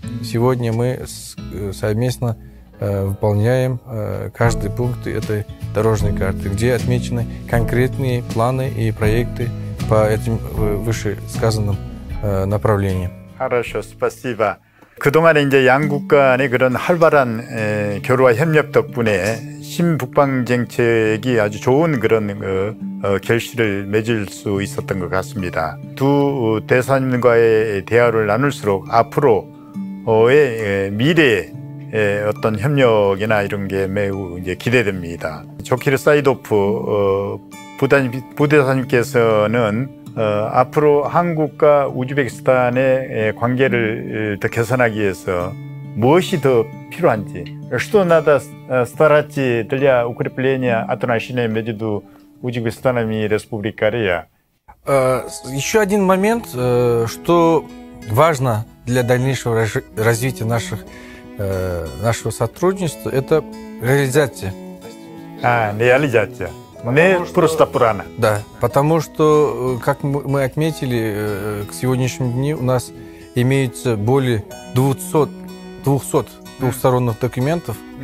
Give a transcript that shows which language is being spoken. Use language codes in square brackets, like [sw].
[ru] Сегодня мы совместно выполняем каждый пункт этой дорожной карты, где отмечены конкретные планы и проекты по этим вышесказанным направлениям. Хорошо, спасибо. [ko] 그동안 이제 양국 간의 그런 활발한 교류와 협력 덕분에 신북방 정책이 아주 좋은 그런 결실을 맺을 수 있었던 것 같습니다. 두 대사님과의 대화를 나눌수록 앞으로 미래의 어떤 협력이나 이런 게 매우 이제 기대됩니다. 조키르 사이도프 부대사님께서는 앞으로 한국과 우즈베키스탄의 관계를 더 개선하기 위해서 무엇이 더 필요한지 [ru] что надо старать для укрепления отношений между Узбекистаном и Республикой Корея. Еще один момент, что важно для дальнейшего развития нашего сотрудничества, это реализация. Реализация. Не просто пурана. Да, потому что, как мы отметили, к сегодняшнему дню у нас имеется более 200 двухсторонних документов.